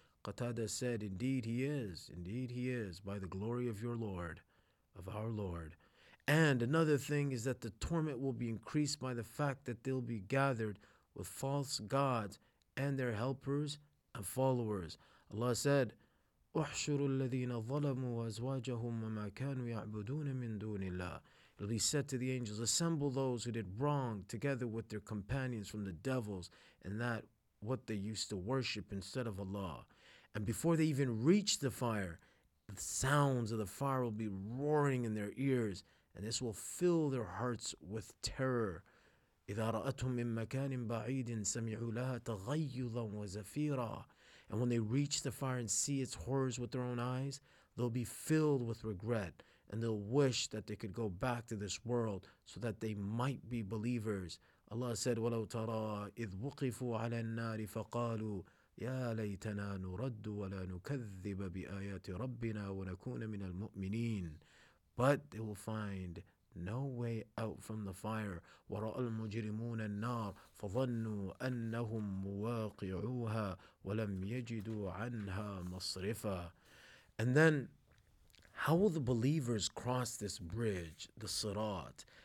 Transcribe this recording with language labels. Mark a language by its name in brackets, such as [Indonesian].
[English] Qatada said, indeed he is, by the glory of your Lord, of our Lord. And another thing is that the torment will be increased by the fact that they'll be gathered with false gods and their helpers and followers. Allah said, [Arabic] أُحْشُرُ الَّذِينَ ظَلَمُوا وَأَزْوَاجَهُمْ وَمَا كَانُوا يَعْبُدُونَ مِن دُونِ اللَّهِ. [English] It'll be said to the angels, assemble those who did wrong together with their companions from the devils and that what they used to worship instead of Allah. And before they even reach the fire, the sounds of the fire will be roaring in their ears, and this will fill their hearts with terror. [Arabic] إِذَا رَأَتْهُمْ مِن مَكَانٍ بَعِيدٍ سَمِعُوا لَهَا تَغَيُّظًا وَزَفِيرًا. [English] And when they reach the fire and see its horrors with their own eyes, they'll be filled with regret, and they'll wish that they could go back to this world so that they might be believers. Allah said, [Arabic] وَلَوْ تَرَىٰ إِذْ وُقِفُوا عَلَى النَّارِ فَقَالُوا يَا لَيْتَنَا نُرَدُّ وَلَا نُكَذِّبَ بِآيَاتِ رَبِّنَا وَنَكُونَ مِنَ الْمُؤْمِنِينَ. [English] But they will find no way out from the fire. [Arabic] وَرَأَى الْمُجْرِمُونَ النَّارِ فَظَنُّوا أَنَّهُمْ مُوَاقِعُوهَا وَلَمْ يَجِدُوا عَنْهَا مَصْرِفًا. [English] And then, how will the believers cross this bridge, the Sirat?